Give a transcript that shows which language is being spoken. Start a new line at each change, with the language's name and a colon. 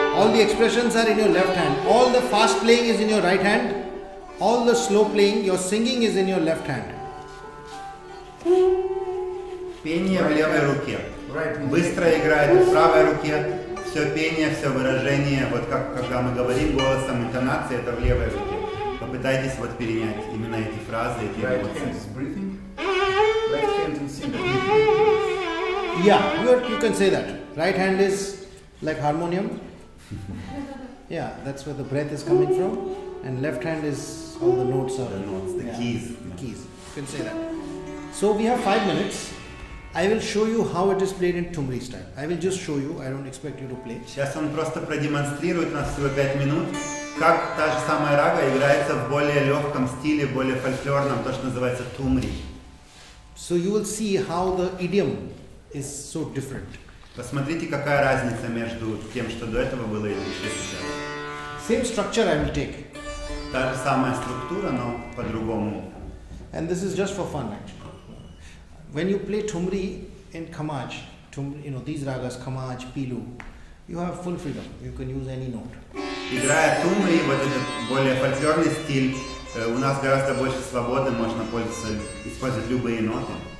English: All the expressions are in your left hand. All the fast playing is in your right hand. All the slow playing, your singing is in your left hand.
Russian: Пение в левой руке. Быстро играет в правой руке. Все пение, все выражение, вот как когда мы говорим голосом, интонация, это в левой руке. Попытайтесь вот перенять именно эти фразы, эти эмоции.
English: Right hand is breathing. Yeah, you can say that. Right hand is like harmonium. Yeah, that's where the breath is coming from. And left hand is all the notes are. The notes, the keys. The keys. You can say that. So we have 5 minutes. I will show you how it is played in Tumri style. I will just show you. I don't expect you to play.
Russian: Сейчас он просто продемонстрирует нас всего 5 минут, как та же самая рага играется в более легком стиле, более фольклорном, то, что называется Тумри.
English: So you will see how the idiom is so different.
Russian: Посмотрите, какая разница между тем, что до этого было, и что сейчас.
English: Same structure I will take.
Russian: Та же самая структура, но по-другому.
English: And this is just for fun, actually. When you play Tumri in Khammaj, you know, these ragas, Khammaj, Pilu, you have full freedom. You can use any note.
Russian: Играя Тумри, вот этот более фольклорный стиль, у нас гораздо больше свободы, можно пользоваться, использовать любые ноты.